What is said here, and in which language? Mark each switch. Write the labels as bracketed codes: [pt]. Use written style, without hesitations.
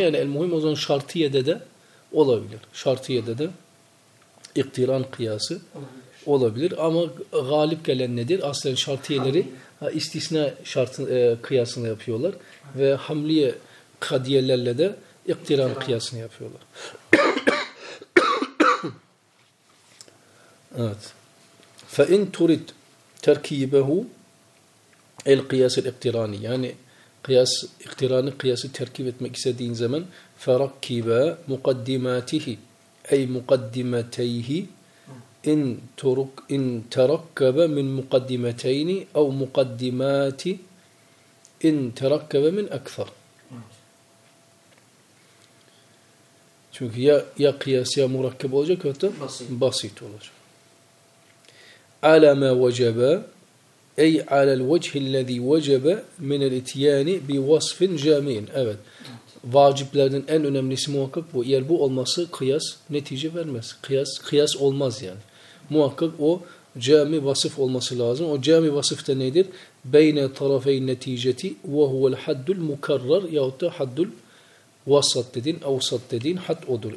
[tr] Yani el muhim o zaman şartiyede de olabilir. Şartiyede de iktiran kıyası olabilir. Olabilir. Ama galip gelen nedir? Aslen şartiyeleri istisna şartı kıyasını yapıyorlar. Hamli. Ve hamliye kadiyelerle de iktiran kıyasını yapıyorlar. Evet. [ar] فَاِنْ تُرِدْ تَرْكِيبَهُ الْقِيَاسِ الْاِقْتِرَانِ [tr] yani kıyas, iktirani kıyası terkip etmek istediğin zaman [ar] فَرَكِّبَا مُقَدِّمَاتِهِ اَيْ مُقَدِّمَتَيْهِ اِنْ تُرُكْ اِنْ تَرَكَّبَ مِنْ مُقَدِّمَتَيْنِ اَوْ مُقَدِّمَاتِ اِنْ تَرَكَّبَ مِنْ اَكْثَرِ. [tr] Çünkü ya kıyas ya murakkep olacak ya da basit olacak. [ar] على ما وجب اي على الوجه الذي وجب من الاتيان بوصف جامع. [tr] Evet. Vaciplerin en önemlisi muhakkak bu. Eğer bu olması kıyas netice vermez. Kıyas olmaz yani. Muhakkak o cami vasıf olması lazım. O cami vasıf da nedir? [ar] Beyne tarafeyn neticeti ve huvel haddul mukarrar [tr] yahut da haddul vasat dedin, avsat dedin, had odur.